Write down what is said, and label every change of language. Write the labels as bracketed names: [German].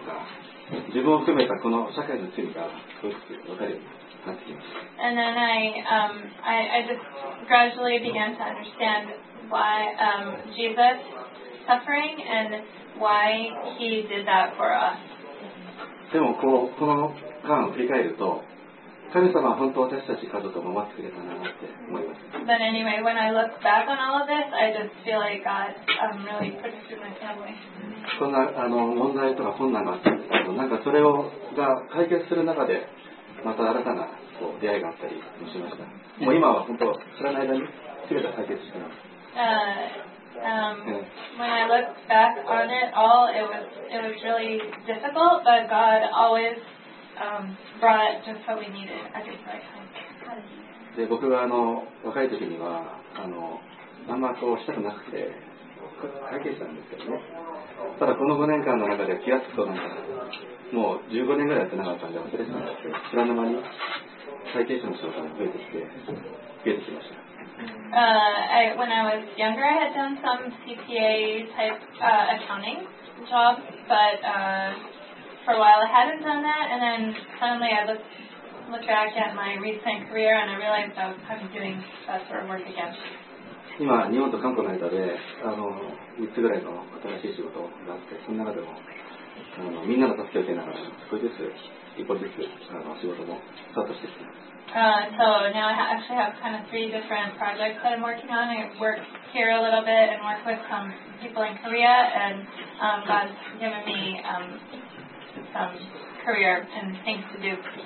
[English] And then I just gradually began to understand why Jesus suffering and why he did that for us. [Japanese] でもこうこの間を振り返ると。神様は本当私たち家族を守ってくれたなって思います。 [English] But anyway, when I look back on all of this, I just feel like God really protected my family. [Japanese] そんな問題とか困難があったけど、なんかそれをが解決する中で、また新たなこう出会いがあったりもしました。もう今は本当知らない間に全て解決してます。 [English] When I look back on it all, it was really difficult, but God always brought just what we needed at this time. [Japanese] で、僕は若い時にはあんまこうしたくなくて解決したんですけどね。ただこの5年間の中で気がつくとなんかもう15年ぐらいやってなかったんで忘れてたんですけど、知らぬ間に再建者の仕事が増えてきました。 [English] When I was younger, I had done some CPA type accounting job, but for a while I hadn't done that, and then suddenly I looked back at my recent career and I realized I was kind of doing that sort of work again. [Japanese] 今日本と韓国の間で3つぐらいの新しい仕事があって、その中でもみんなの助けを受けながら少しずつ一歩ずつ仕事もスタートしてきています。 [English] So now I actually have kind of three different projects that I'm working on. I work here a little bit and work with some people in Korea, and God's given me some career and things to do.